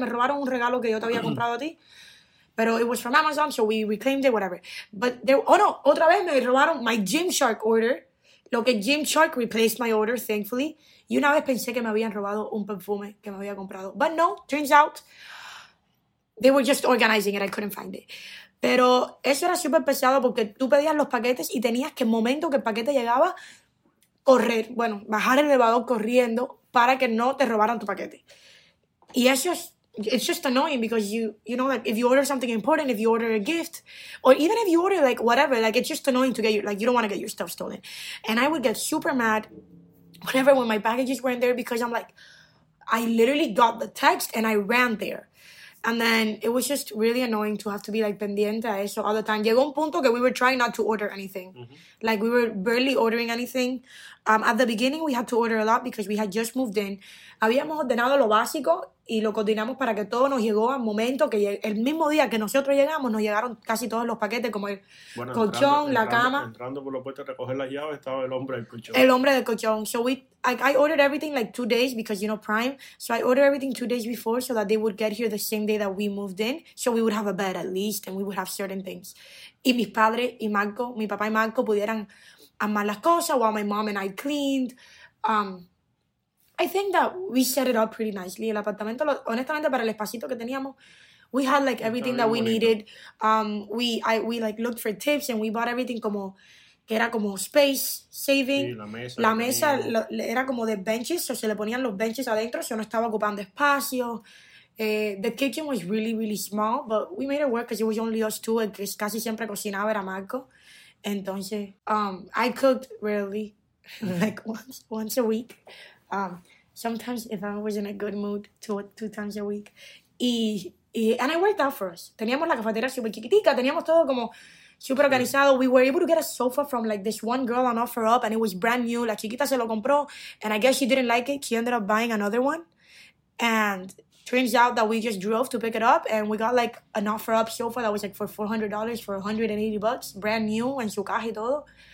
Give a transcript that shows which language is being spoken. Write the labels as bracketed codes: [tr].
[es] me robaron un regalo que yo te había comprado a ti. Pero [en] it was from Amazon, so we reclaimed it, whatever. But there, oh no, [es] otra vez me robaron [en] my Gymshark order. [es] Lo que [en] Gymshark replaced my order, thankfully. [es] Y una vez pensé que me habían robado un perfume que me había comprado. [en] But no, turns out they were just organizing it, I couldn't find it. [es] Pero eso era súper pesado porque tú pedías los paquetes y tenías que, el momento que el paquete llegaba, correr, bueno, bajar el elevador corriendo para que no te robaran tu paquete. Y eso es. [en] it's just annoying because you know, like, if you order something important, if you order a gift, or even if you order, like, whatever, like, it's just annoying to get your, like, you don't want to get your stuff stolen. And I would get super mad whenever when my packages weren't there, because I'm like, I literally got the text and I ran there. And then it was just really annoying to have to be, like, [es] pendiente a eso [en] all the time. [es] Llegó un punto que [en] we were trying not to order anything. Mm-hmm. Like, we were barely ordering anything. At the beginning, we had to order a lot because we had just moved in. [es] Habíamos ordenado lo básico y lo coordinamos para que todo nos llegó al momento que el mismo día que nosotros llegamos, nos llegaron casi todos los paquetes, como el bueno, colchón, entrando, la cama. Entrando por la puerta a recoger las llaves, estaba el hombre del colchón. El hombre del colchón. [en] So I ordered everything like 2 days because, you know, Prime. So I ordered everything 2 days before so that they would get here the same day that we moved in. So we would have a bed at least and we would have certain things. [es] Y mis padres y Marco, mi papá y Marco pudieran armar las cosas [en] while my mom and I cleaned. I think that we set it up pretty nicely. [es] El apartamento, honestamente, para el espacito que teníamos, [en] we had like everything that we needed. We like looked for tips and we bought everything [es] como que era como [en] space saving. [es] Sí, la mesa, la mesa era como de benches, o se le ponían los benches adentro, o no estaba ocupando espacio. [en] The kitchen was really, really small, but we made it work because it was only us two, [es] que casi siempre cocinaba era Marco. [en] Entonces, I cooked rarely, like once a week. Sometimes if I was in a good mood, two times a week. And it worked out for us. [es] Teníamos la cafetería super chiquitica, teníamos todo como super organizado. [en] We were able to get a sofa from like this one girl on OfferUp and it was brand new. [es] La chiquita se lo compró [en] and I guess she didn't like it. She ended up buying another one. And turns out that we just drove to pick it up and we got like an OfferUp sofa that was like for $400 for $180, brand new, [es] en su caja y todo.